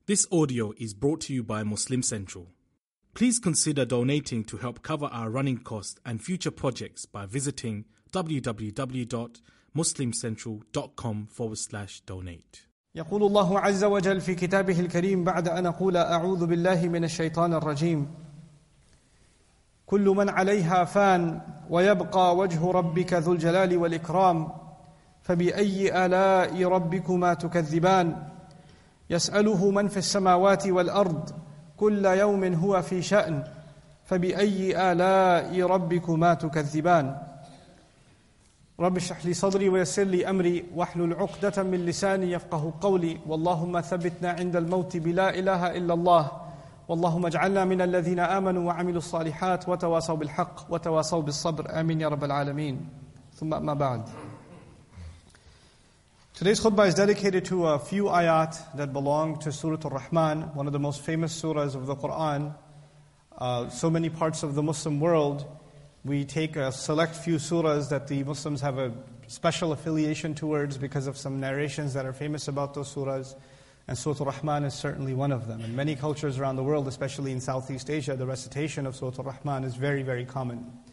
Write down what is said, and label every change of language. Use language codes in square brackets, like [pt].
[en] This audio is brought to you by Muslim Central. Please consider donating to help cover our running costs and future projects by visiting www.muslimcentral.com/donate. [ar] يقول الله عز وجل في كتابه الكريم بعد أن أقول أعوذ بالله من الشيطان الرجيم كل من عليها فان ويبقى وجه ربك ذو الجلال والإكرام فبأي آلاء ربكما تكذبان يسأله من في السماوات والأرض كل يوم هو في شأن فبأي آلاء ربكما تكذبان رب اشرح لي صدري ويسر لي أمري واحلل عقدة من لساني يفقه قولي واللهم ثبتنا عند الموت بلا إله إلا الله واللهم اجعلنا من الذين آمنوا وعملوا الصالحات وتواصوا بالحق وتواصوا بالصبر آمين يا رب العالمين ثم أما بعد. [en] Today's khutbah is dedicated to a few ayat that belong to Surah Ar-Rahman, one of the most famous surahs of the Qur'an. So many parts of the Muslim world, we take a select few surahs that the Muslims have a special affiliation towards because of some narrations that are famous about those surahs, and Surah Ar-Rahman is certainly one of them. In many cultures around the world, especially in Southeast Asia, the recitation of Surah Ar-Rahman is very, very common.